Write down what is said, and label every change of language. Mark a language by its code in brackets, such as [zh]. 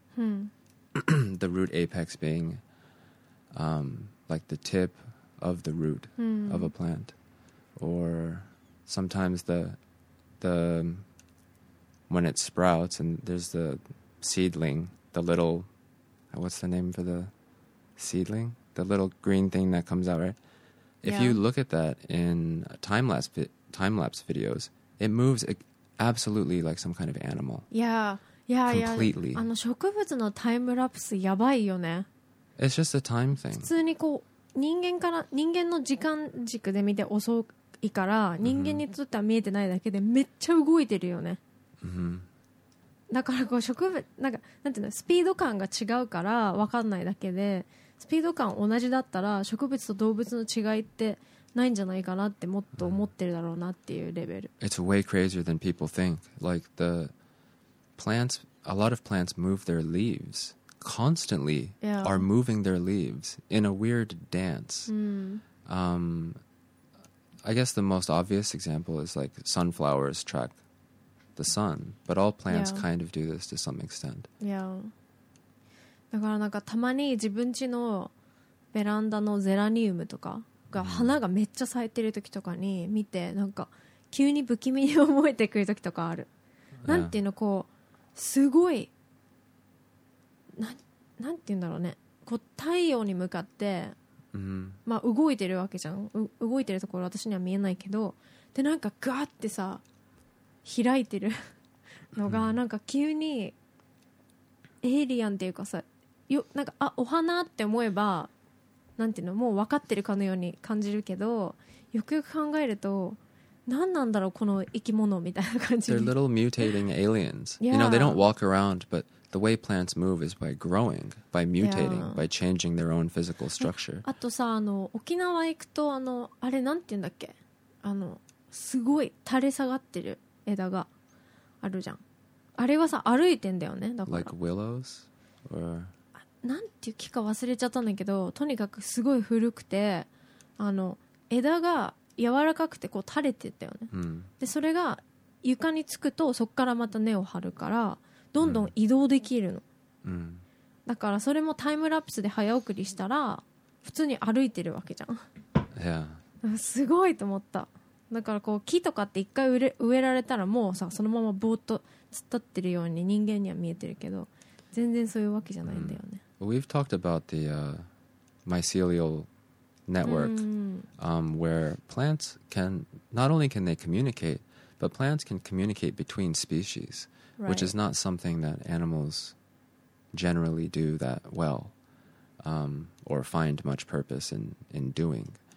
[en] The root apex being like the tip of the root of a plant, or sometimes the when it sprouts and there's the seedling, the little, what's the name for the seedling, the little green thing that comes out, right? If you look at that in time lapse videos, it moves absolutely like some kind of animal. Completely. [ja] あの植物のタイムラプスやばいよね。 [en] It's just a time thing. [ja] 普通にこう人間の時間軸で見て遅いから人間にとっては見えてないだけでめっちゃ動いてるよね。だからこう植物なんかなんていうのスピード感が違うから分かんないだけで、スピード感同じだったら植物と動物の違いってないんじゃないかなってもっと思ってるだろうなっていうレベル。 [en] It's way crazier than people think. Like the plants, a lot of plants move their leaves constantly yeah. are moving their leaves in a weird dance. Mm. I guess the most obvious example is like sunflowers track the sun, but all plants yeah. kind of do this to some extent. [ja] Yeah. だからなんかたまに自分家のベランダのゼラニウムとかが花がめっちゃ咲いてる時とかに見てなんか急に不気味に思えてくる時とかある。なんていうのこうすごいなんていうんだろうねこう太陽に向かってまあ動いてるわけじゃん動いてるところ私には見えないけどでなんかガーってさ開いてるのがなんか急にエイリアンっていうかさよなんかあお花って思えばなんていうのもう分かってるかのように感じるけどよくよく考えると何なんだろうこの生き物みたいな感じに [en] They're little mutating aliens. Yeah. You know, they don't walk around, but the way plants move is by growing, by mutating, yeah. by changing their own physical structure. [ja] あとさ、あの、沖縄行くと、あの、あれなんて言うんだっけ？あの、すごい垂れ下がってる枝があるじゃん。あれはさ、歩いてんだよね、だから。 [en] Like willows? Or... [ja] なんていう木か忘れちゃったんだけど、とにかくすごい古くて、あの、枝が柔らかくてこう垂れてたよね、うん、でそれが床につくとそこからまた根を張るからどんどん移動できるの、うん、だからそれもタイムラプスで早送りしたら普通に歩いてるわけじゃん、 [en] yeah. [ja] すごいと思っただからこう木とかって一回植えられたらもうさそのままぼーっと突っ立ってるように人間には見えてるけど全然そういうわけじゃないんだよね、うん、 [en] We've talked about the mycelialnetwork where plants can not only can they communicate but plants can communicate between species right. which is not something that animals generally do that well or find much purpose in doing